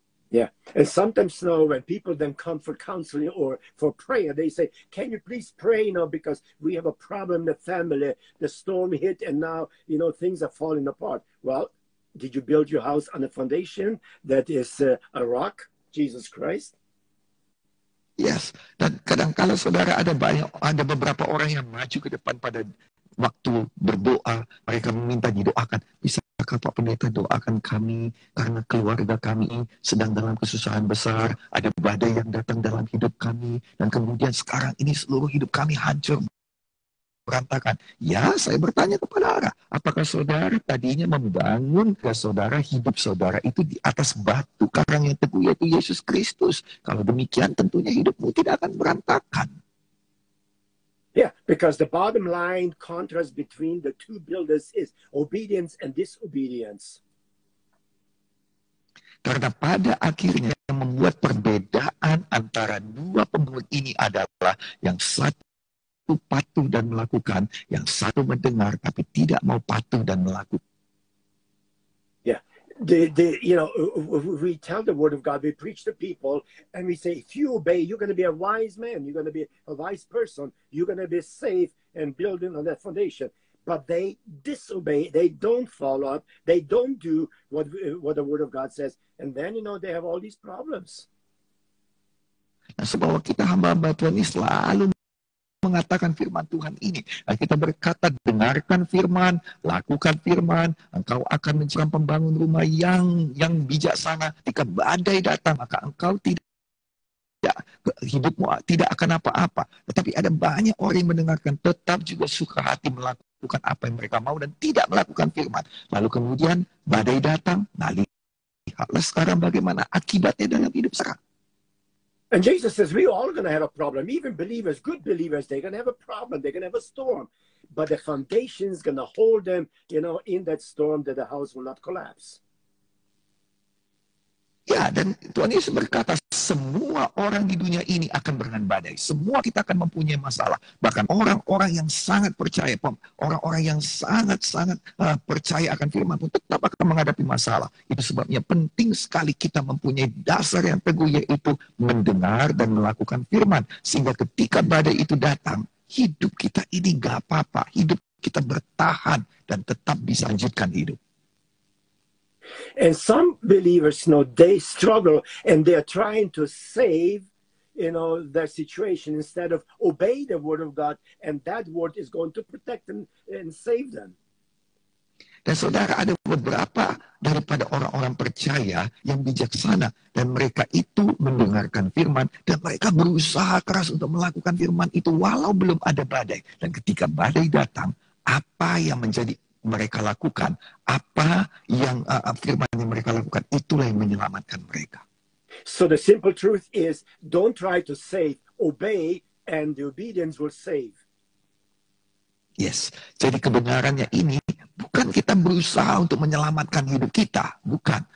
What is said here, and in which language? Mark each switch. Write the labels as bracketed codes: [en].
[en] Yeah, and sometimes now when people then come for counseling or for prayer, they say, can you please pray now because we have a problem in the family, the storm hit and now, you know, things are falling apart. Well, did you build your house on a foundation that is a rock, Jesus Christ? Yes. [id] Dan kadang-kala saudara ada beberapa orang yang maju ke depan pada waktu berdoa, mereka meminta didoakan. Bisakah Pak Pendeta doakan kami karena keluarga kami sedang dalam kesusahan besar, ada badai yang datang dalam hidup kami, dan kemudian sekarang ini seluruh hidup kami hancur. Berantakan. Ya, saya bertanya kepada Ara, apakah saudara tadinya membangun ke saudara, hidup saudara itu di atas batu karang yang teguh, yaitu Yesus Kristus? Kalau demikian, tentunya hidupmu tidak akan berantakan. [en] Yeah, because the bottom line contrast between the two builders is obedience and disobedience. [id] Karena pada akhirnya yang membuat perbedaan antara dua pembangun ini adalah yang satu patuh dan melakukan, yang satu mendengar tapi tidak mau patuh dan melakukan. [en] The you know, we tell the word of God, we preach to people, and we say, if you obey, you're going to be a wise man, you're going to be a wise person, you're going to be safe and building on that foundation. But they disobey, they don't follow up, they don't do what the word of God says, and then, you know, they have all these problems. [id] Nah, sebab kita hamba-hamba Tuhan ini selalu mengatakan firman Tuhan ini. Nah, kita berkata, dengarkan firman, lakukan firman, engkau akan mencari pembangun rumah yang bijaksana. Jika badai datang, maka engkau tidak hidupmu tidak akan apa-apa. Tetapi ada banyak orang yang mendengarkan, tetap juga suka hati melakukan apa yang mereka mau dan tidak melakukan firman. Lalu kemudian badai datang, nah lihatlah sekarang bagaimana akibatnya dalam hidup sekarang. [en] And Jesus says, we all going to have a problem. Even believers, good believers, they're going to have a problem. They're going to have a storm. But the foundation is going to hold them, you know, in that storm that the house will not collapse. [id] Ya, dan Tuhan Yesus berkata, semua orang di dunia ini akan berlalu badai. Semua kita akan mempunyai masalah. Bahkan orang-orang yang sangat percaya, orang-orang yang sangat-sangat percaya akan firman pun tetap akan menghadapi masalah. Itu sebabnya penting sekali kita mempunyai dasar yang teguh, yaitu mendengar dan melakukan firman. Sehingga ketika badai itu datang, hidup kita ini gak apa-apa. Hidup kita bertahan dan tetap bisa lanjutkan hidup. [en] And some believers, you know, they struggle and they are trying to save, you know, their situation instead of obey the word of God, and that word is going to protect them and save them. [id] Dan saudara, ada beberapa daripada orang-orang percaya yang bijaksana, dan mereka itu mendengarkan firman dan mereka berusaha keras untuk melakukan firman itu walau belum ada badai. Dan ketika badai datang, apa yang menjadi mereka lakukan, apa yang firman yang mereka lakukan, itulah yang menyelamatkan mereka. [en] So the simple truth is, don't try to save, obey, and the obedience will save. [id] Yes, jadi kebenarannya ini, bukan kita berusaha untuk menyelamatkan hidup kita, bukan.